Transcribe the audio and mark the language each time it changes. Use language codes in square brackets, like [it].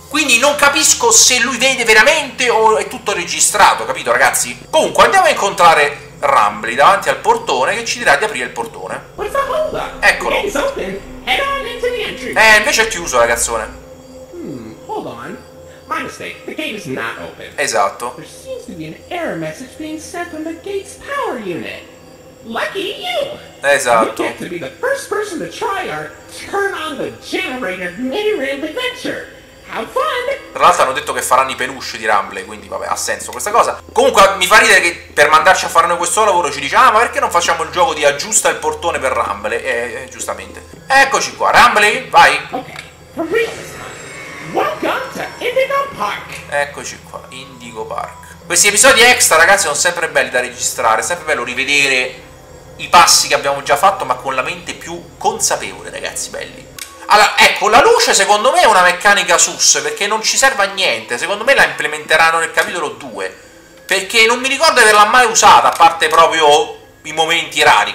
[it] Quindi non capisco se lui vede veramente o è tutto registrato, capito, ragazzi? Comunque, andiamo a incontrare Rumbly davanti al portone, che ci dirà di aprire il portone. [en] What's up, hold up? [it] Eccolo. [en] The gate's open. Head on into the entry. [it] Invece è chiuso, ragazzone. [en] Hold on. My mistake. The gate is not open. [it] Esatto. [en] There seems to be an error message being sent from the gate's power unit. Lucky you! [it] Esatto. [en] You get to be the first person to try our turn on the generator mini-ramp adventure. [it] Tra l'altro hanno detto che faranno i peluche di Rumbly, quindi vabbè, ha senso questa cosa. Comunque mi fa ridere che per mandarci a fare noi questo lavoro ci dice: ah, ma perché non facciamo il gioco di aggiusta il portone per Rumbly? Giustamente. Eccoci qua, Rumbly, vai. [en] Ok, welcome to Indigo Park. [it] Eccoci qua, Indigo Park. Questi episodi extra, ragazzi, sono sempre belli da registrare. È sempre bello rivedere i passi che abbiamo già fatto, ma con la mente più consapevole, ragazzi, belli. Allora, ecco, la luce secondo me è una meccanica sus, perché non ci serve a niente. Secondo me la implementeranno nel capitolo 2, perché non mi ricordo di averla mai usata, a parte proprio i momenti rari.